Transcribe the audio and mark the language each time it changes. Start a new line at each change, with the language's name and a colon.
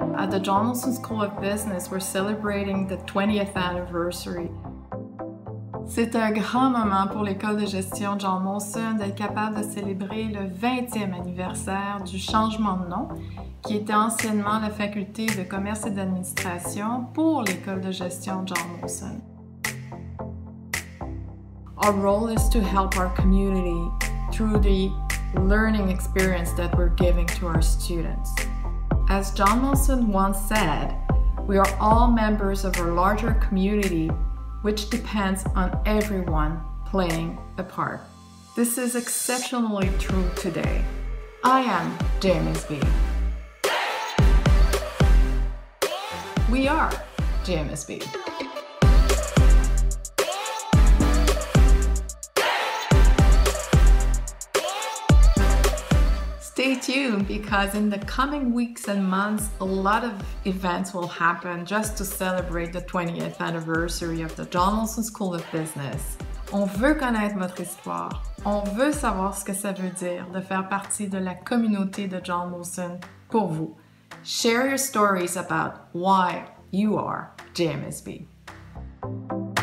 English: the Donaldson School of Business, we're celebrating the 20th anniversary.
French: C'est un grand moment pour l'école de gestion John Molson d'être capable de célébrer le 20e anniversaire du changement de nom, qui était anciennement la faculté de commerce et d'administration pour l'école de gestion John Molson.
English: Our role is to help our community through the learning experience that we're giving to our students. As John Molson once said, we are all members of a larger community which depends on everyone playing a part. This is exceptionally true today. I am JMSB. We are JMSB. Stay tuned, because in the coming weeks and months, a lot of events will happen just to celebrate the 20th anniversary of the John Molson School of Business.
French: On veut connaître votre histoire. On veut savoir ce que ça veut dire de faire partie de la communauté de John Molson pour vous.
English: Share your stories about why you are JMSB.